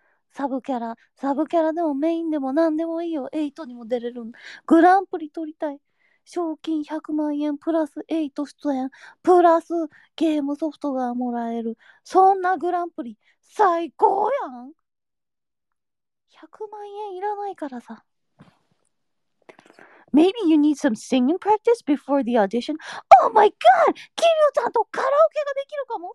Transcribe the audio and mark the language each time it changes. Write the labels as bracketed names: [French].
[Japanese] サブキャラでもメインでも何でもいいよ。エイトにも出れるん。グランプリ取りたい。賞金100万円プラスエイト出演、プラスゲームソフトがもらえる。そんなグランプリ、最高やん。 100万円いらないからさ。 [English] Maybe you need some singing practice before the audition? Oh my god! [Japanese] キリュウちゃんとカラオケができるかも。